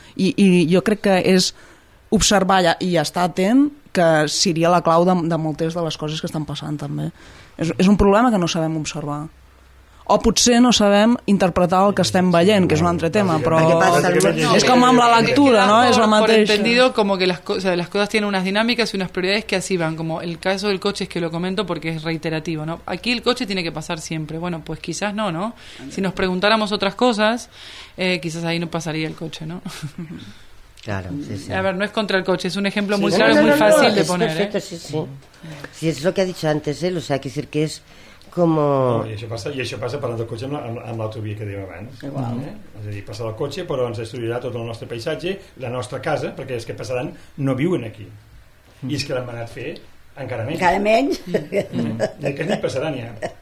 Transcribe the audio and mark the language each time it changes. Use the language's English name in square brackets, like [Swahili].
[Catalan] I jo crec que és observar i estar atent, que seria la clau de moltes de les coses que estan passant també. És un problema que no sabem observar. O potser no sabem interpretar el que estem veient, que és un altre tema, però és com amb la lectura, no? És la mateixa. [Spanish] Por entendido, como que las cosas tienen unas dinámicas y unas prioridades que así van. Como el caso del coche, es que lo comento porque es reiterativo, ¿no? Aquí el coche tiene que pasar siempre. Bueno, pues quizás no, ¿no? Si nos preguntáramos otras cosas, quizás ahí no pasaría el coche, ¿no? Claro, sí, sí. A ver, no es contra el coche, es un ejemplo muy claro y muy fácil de poner. Es perfecto, sí. Sí, es lo que ha dicho antes, ¿eh? O sea, quiere decir que es... Como... [Catalan] No, i això passa parlant del cotxe amb l'autovia que dèiem abans. Igual. És a dir, passarà el cotxe, però ens destruirà tot el nostre paisatge, la nostra casa, perquè els que passaran no viuen aquí. Mm. I és que l'han manat fer encara menys. Encara menys. Mm. Aquest any passaran ja.